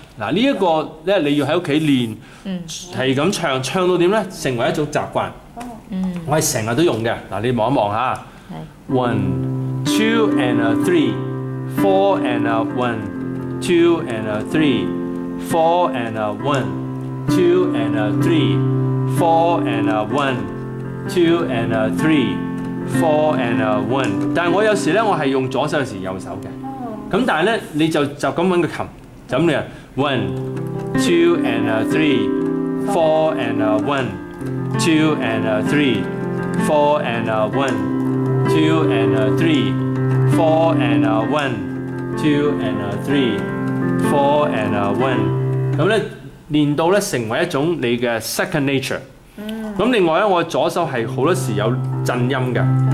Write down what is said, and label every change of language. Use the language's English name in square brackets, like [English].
[Cantonese] 嗱，呢一個咧你要喺屋企練，係咁唱，唱到點咧，成為一種習慣。哦，我係成日都用嘅。嗱，你望一望嚇 ， [English] one。 Two and a three, four and a one, two and a three, four and a one, two and a three, four and a one, two and a three, four and a one。 [Cantonese] 但我有時咧，我係用左手，有時右手嘅。咁但係咧，你就咁揾個琴，就咁嚟啊。 [English] One, two and a three, four and a one, two and a three, four and a one, two and a three。 Four and a one, two and a three, four and a one。 [Cantonese] 咁咧練到咧成為一種你嘅 [English] second nature。 [Cantonese] 咁另外咧，我左手係好多時有震音嘅。